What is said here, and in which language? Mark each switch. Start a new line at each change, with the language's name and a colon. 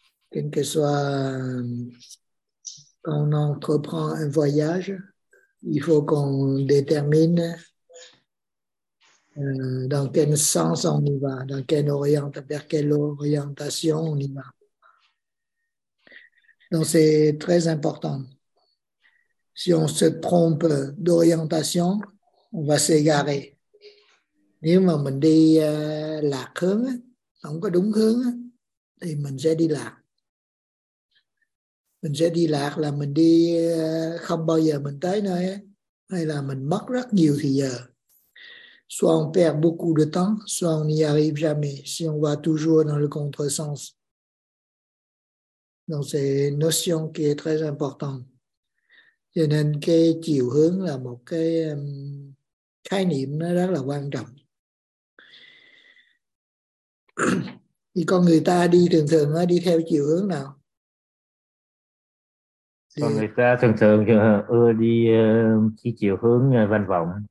Vietnamese: Kinh Kỳ Xoa,
French: quand on entreprend un voyage, il faut qu'on détermine dans quel sens on y va, dans quel orient, vers quelle orientation on y va. Donc c'est très important. Si on se trompe d'orientation, on va s'égarer.
Vietnamese: Nếu mà mình đi lạc hướng, không có đúng hướng, thì mình sẽ đi lạc. Mình sẽ đi lạc là mình đi không bao giờ mình tới nơi, hay là mình mất rất nhiều thời giờ.
French: Soit on perd beaucoup de temps, soit on n'y arrive jamais, si on va toujours dans le contresens. Donc c'est une notion qui est très importante.
Vietnamese: Cho nên cái chiều hướng là một cái khái niệm nó rất là quan trọng. Thì con người ta đi thường thường đi theo chiều hướng nào? Thì... con người ta thường thường đi chỉ chiều hướng văn vọng.